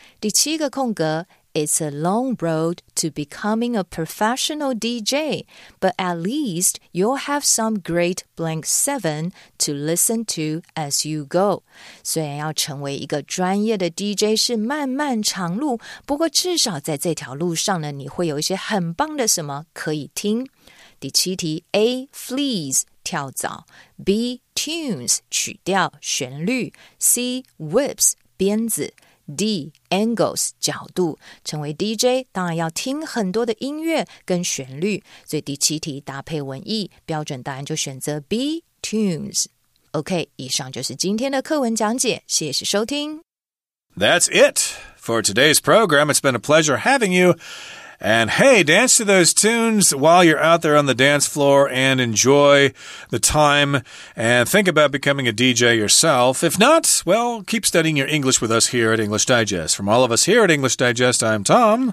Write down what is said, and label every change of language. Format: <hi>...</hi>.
<zh>第七个空格，</zh> <en>It's a long road to becoming a professional DJ, but at least you'll have some great blank seven to listen to as you go.</en> <zh>虽然要成为一个专业的 DJ 是漫漫长路，不过至少在这条路上呢，你会有一些很棒的什么可以听。第七题 ,A, fleas, 跳蚤 ,B, tunes, 曲调旋律 ,C, whips, 鞭子D angles 角度，成为 DJ 当然要听很多的音乐跟旋律，所以第七题搭配文意，标准答案就选择 B tunes。 OK， 以上就是今天的课文讲解，谢谢收听。</zh> <en>That's it for today's program. It's been a pleasure having you. And hey, dance to those tunes while you're out there on the dance floor and enjoy the time and think about becoming a DJ yourself. If not, well, keep studying your English with us here at English Digest. From all of us here at English Digest, I'm Tom.</en>